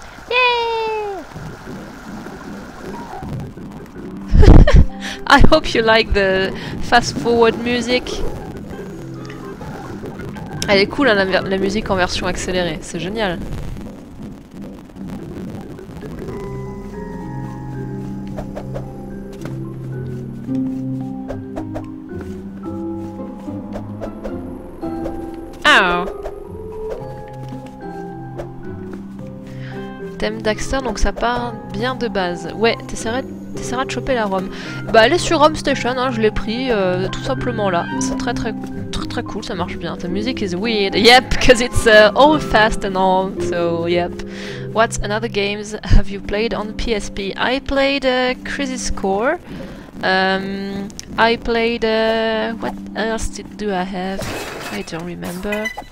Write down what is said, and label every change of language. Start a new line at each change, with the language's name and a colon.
English: Yay! I hope you like the fast-forward music.
French: Elle est cool, hein, la musique en version accélérée. C'est génial. Oh. Thème Daxter, donc ça part bien de base. Ouais, t'essaieras de choper la ROM. Bah elle est sur ROM Station, hein, je l'ai pris tout simplement là. C'est très très très très cool, ça marche bien.
English: The music is weird. Yep, because it's all fast and all. So yep. What other games have you played on PSP? I played Crisis Core. I played what else do I have? I don't remember.